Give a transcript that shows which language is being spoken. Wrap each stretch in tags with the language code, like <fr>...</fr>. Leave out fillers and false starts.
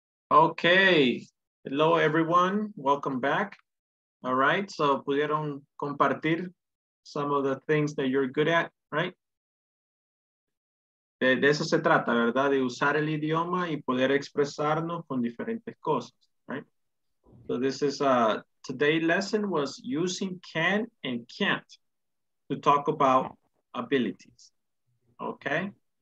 <en>Okay, hello everyone, welcome back. All right, so</en> <es>pudieron compartir</es> <en>some of the things that you're good at, right?</en> <es>De eso se trata, ¿verdad? De usar el idioma y poder expresarnos con diferentes cosas, right?</es> <en>So this is, today's lesson was using can and can't to talk about abilities, okay?</en>